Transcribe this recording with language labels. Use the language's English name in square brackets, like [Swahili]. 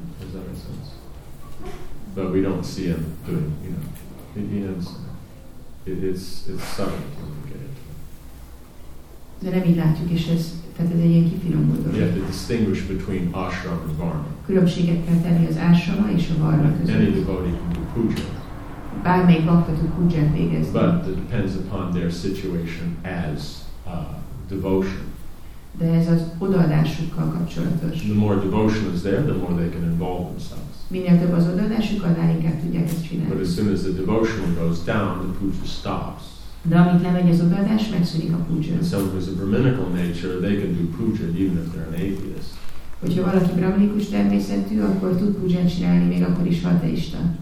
[English] Does that make sense? But we don't see him doing, you know, it's subtle. [Hungarian] De nem így látjuk, és ez, tehát ez egy ilyen kifinomult dolog. [English] You have to distinguish between ashram and varna. [Hungarian] Különbséget kell tenni az ashrama és a varna között. [English] Any devotee can do puja. [Hungarian] Bármelyik bhakta tud pujját végezni. [English] But it depends upon their situation as devotion. [Hungarian] De ez az odaadásukkal kapcsolatos. [English] The more devotion is there, the more they can involve themselves. [Hungarian] Minél több az odaadásuk, annál inkább tudják ezt csinálni. [English] But as soon as the devotion goes down, the puja stops. [Hungarian] De amit lemegy az odaadás, megszűnik a puja. [English] And someone who's a brahminical nature, they can do puja even if they're an atheist. [Hungarian] Hogyha valaki brahminikus természetű, akkor tud pujját csinálni, még akkor is ateista.